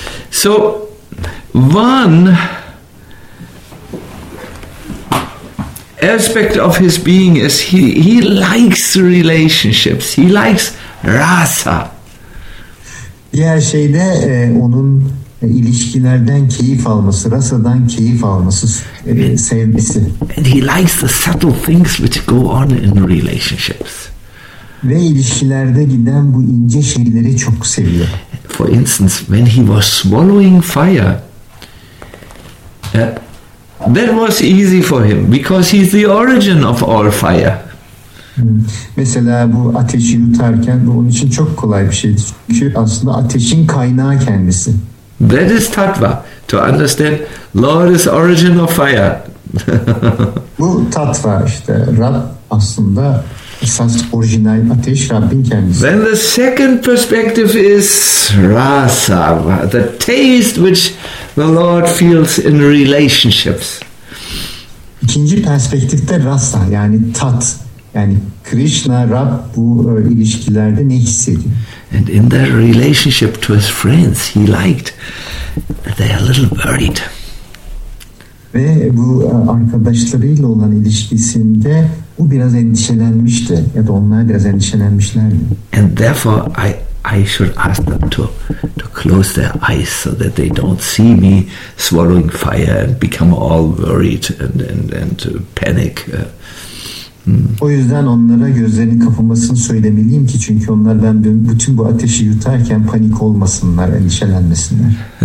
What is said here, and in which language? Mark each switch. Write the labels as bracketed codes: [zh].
[en] So, one aspect of his being is he likes relationships. He likes rasa. [tr] Diğer şey de onun ilişkilerden keyif alması, rasadan keyif alması, sevmesi. [en] And he likes the subtle things which go on in relationships. [tr] Ve ilişkilerde giden bu ince şeyleri çok seviyor. [en] For instance, when he was swallowing fire, that was easy for him because he's the origin of all fire. [tr] Mesela bu ateşi yutarken bu onun için çok kolay bir şeydi. Çünkü aslında ateşin kaynağı kendisi. [en] That is tattva. To understand, Lord is origin of fire. [tr] Bu tattva işte. Rab aslında esas orijinal ateş, Rabbin kendisi. [en] Then the second perspective is rasa, the taste which the Lord feels in relationships. [tr] İkinci perspektifte rasa, yani tat. Yani Krishna, Rab bu ilişkilerde ne hissediyor? [en] And in their relationship to his friends, he liked that they are a little worried. [tr] Ve bu arkadaşlarıyla olan ilişkisinde o biraz endişelenmişti. Ya da onlar biraz endişelenmişlerdi. [en] And therefore I should ask them to close their eyes so that they don't see me swallowing fire and become all worried and panic. [tr] O yüzden onlara gözlerini kapamasını söylemeliyim ki çünkü onlardan bütün bu ateşi yutarken panik olmasınlar, endişelenmesinler.